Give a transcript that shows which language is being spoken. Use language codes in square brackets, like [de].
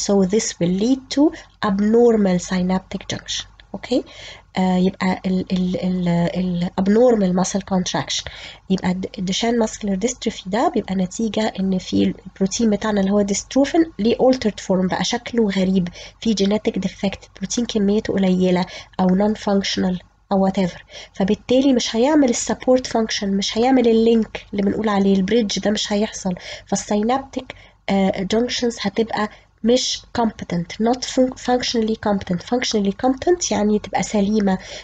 [en] So this will lead to abnormal synaptic junction. Okay, يبقى ال abnormal muscle contraction. [ar] يبقى Duchenne muscular dystrophy ده بيبقى نتيجة إن في البروتين بتاعنا اللي هو dystrophin ليه altered form، بقى شكله غريب، في genetic defect، بروتين كميته قليلة أو non functional أو whatever. فبالتالي مش هيعمل support function، مش هيعمل اللينك اللي بنقول عليه البريدج ده، مش هيحصل. فالسينابتيك junctions هتبقى مش competent, not functionally competent. Functionally competent يعني تبقى سليمة.